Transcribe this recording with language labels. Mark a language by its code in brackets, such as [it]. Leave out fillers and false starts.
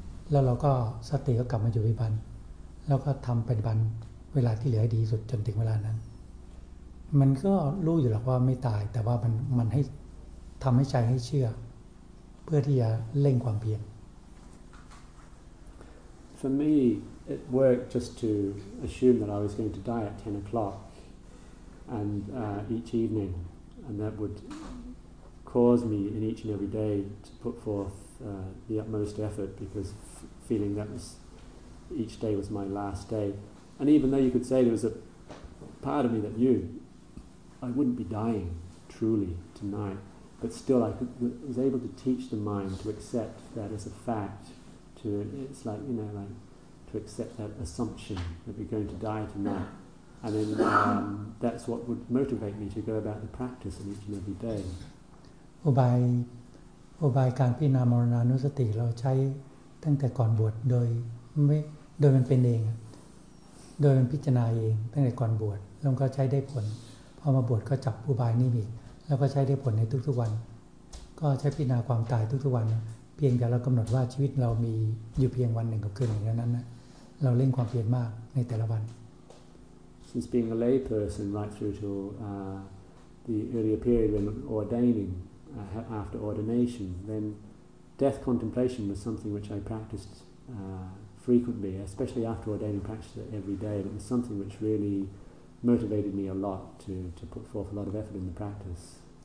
[th] แล้วเราก็สติก็กลับมาอยู่ปัจจุบันแล้วก็ทำปัจจุบันเวลาที่เหลือดีสุดจนถึงเวลานั้นมันก็รู้อยู่หรอกว่าไม่ตายแต่ว่ามันให้ทำให้ใจให้เชื่อเพื่อที่จะเร่งความเพียร [en] For me it worked just to assume that I was going to die at 10 o'clock and each evening and that wouldcause me in each and every day to put forth the utmost effort because feeling that was each day was my last day and even though you could say there was a part of me that knew I wouldn't be dying truly tonight but still I was able to teach the mind to accept that as a fact to it's like you know like to accept that assumption that we're going to die tonight and then that's what would motivate me to go about the practice in each and every day [th] อุบายการพิจารณามรณานุสติเราใช้ตั้งแต่ก่อนบวชโดยมันเป็นเองโดยมันพิจารณาเองตั้งแต่ก่อนบวชแล้วก็ใช้ได้ผลพอมาบวชก็จับอุบายนี้อีกแล้วก็ใช้ได้ผลในทุกๆวันก็ใช้พิจารณาความตายทุกๆวันเพียงแต่เรากำหนดว่าชีวิตเรามีอยู่เพียงวันหนึ่งกับคืนหนึ่งเท่านั้นนะเราเล่งความเพียรมากในแต่ละวัน [en] Since being a lay person right through to the earlier period when ordainingAfter ordination, then death contemplation was something which I practiced frequently, especially after ordaining, practiced it every day. It was something which really motivated me a lot to put forth a lot of effort in the practice.